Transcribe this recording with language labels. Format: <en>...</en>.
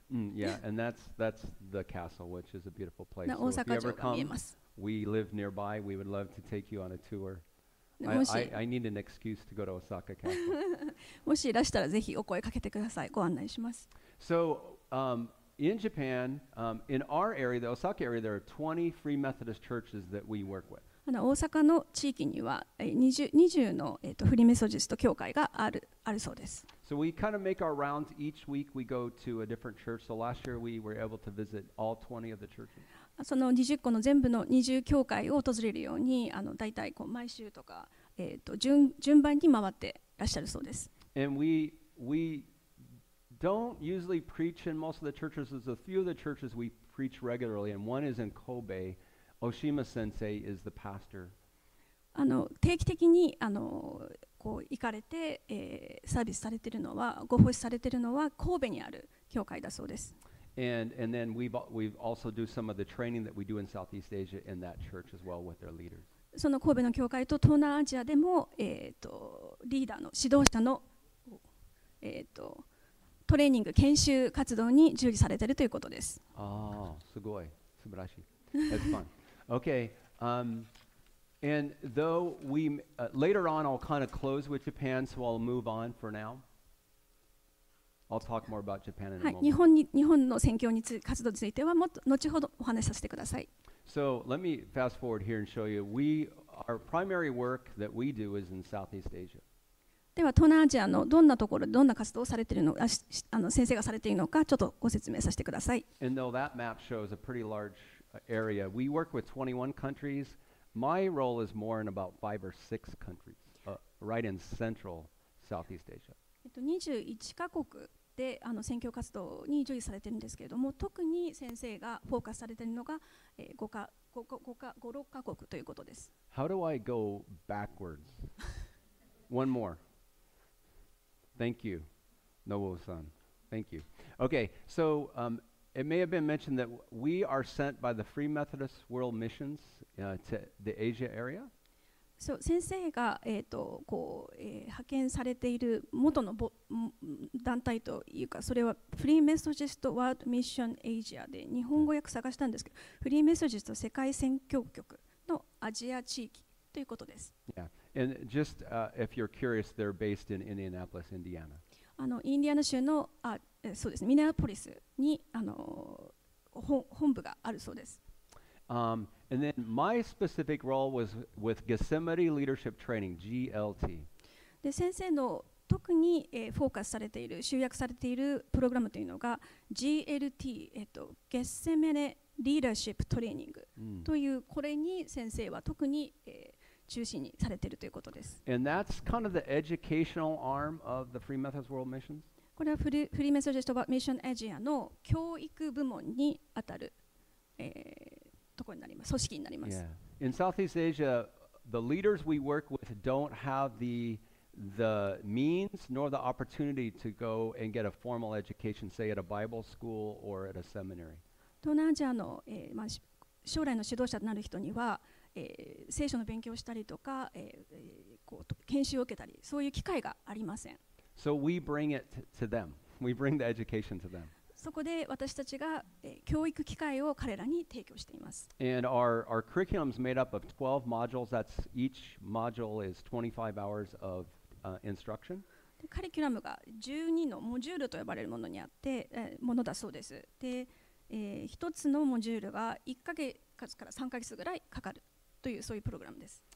<en>Yeah, and that's the castle, which is a beautiful place. So if you ever come, we live nearby. We would love to take you on a tour. I need an excuse to go to Osaka Castle.</en> <ja>もしいらしたらぜひお声かけてください。ご案内します。</ja> <en>So, in Japan, in our area, the Osaka area, there are 20 Free Methodist churches that we work with.</en> <ja>大阪の地域には20のフリーメソジスト教会があるそうです。</ja> <en>So we kind of make our rounds each week. We go to a different church. So last year we were able to visit all 20 of the churches.</en> <ja>その20個の全部の20教会を訪れるように、大体こう毎週とか、順番に回ってらっしゃるそうです。</ja> <en>And we don't usually preach in most of the churches. There's a few of the churches we preach regularly, and one is in Kobe, Oshima sensei is the pastor.</en> <ja>あの定期的にあのこう行かれて、サービスされているのはご奉仕されているのは神戸にある教会だそうです。</ja> <en>And then we've also do some of the training that we do in Southeast Asia in that church as well with their leaders.</en> <ja>その神戸の教会と東南アジアでも、リーダーの指導者の、トレーニング研修活動に従事されているということです。ああ、すごい、素晴らしい。</ja> <en>That's fun. Okay. And though we later on I'll kind of close with Japan, so I'll move on for now. I'll talk more about Japan in a moment.</en> <ja>日本の宣教活動についてはもっと後ほどお話しさせてください。</ja> <en>So let me fast forward here and show you. We our primary work that we do is in Southeast Asia.</en> <ja>では東南アジアのどんなところどんな活動をされているのかあの先生がされているのかちょっとご説明させてください。</ja> <en>And though that map shows a pretty large area, we work with 21 countries. My role is more in about 5 or 6 countries, right in central Southeast Asia.</en> <ja>21カ国であの宣教活動に従事されているんですけれども特に先生がフォーカスされているのが、5、6カ国ということです。</ja> <en>How do I go backwards? One more. Thank you, Nobu-san. Thank you. Okay, so it may have been mentioned that we are sent by the Free Methodist World Missions to the Asia area.</en> <ja>So, 先生が、派遣されている元の団体というかそれはフリーメソジストワールドミッションアジアで日本語訳探したんですけど、フリーメソジスト世界宣教局のアジア地域ということです。</ja> <en>Yeah. And just if you're curious, they're based in Indianapolis, Indiana.</en> <ja>あのインディアナ州のあそうですね、ミネアポリスにあの本部があるそうです。</ja> <en>And then my specific role was with Gethsemane Leadership Training, GLT.</en> <ja>で先生の特に、フォーカスされている集約されているプログラムというのが GLT、Gethsemane Leadership Training という、mm. これに先生は特に、中心にされているということです。</ja> <en>And that's kind of the educational arm of the Free Methodist World Missions.</en> <ja>これはフリーメソジストミッションアジアの教育部門にあたる。ところになります。組織になります。</ja> <en>Yeah. In Southeast Asia, the leaders we work with don't have the means nor the opportunity to go and get a formal education, say at a Bible school or at a seminary.</en> <ja>東南アジアの、まあ、将来の指導者となる人には、聖書の勉強をしたりとか、こう研修を受けたり、そういう機会がありません。</ja> <en>So we bring it to them. We bring the education to them.</en> <ja>そこで私たちが、教育機会を彼らに提供しています。</ja> <en>And our curriculum is made up of 12 modules. That's each module is 25 hours of instruction.</en> <ja>カリキュラムが12のモジュールと呼ばれるものにあって、ものだそうです。で、一つのモジュールが1ヶ月から3ヶ月ぐらいかかるというそういうプログラムです。</ja>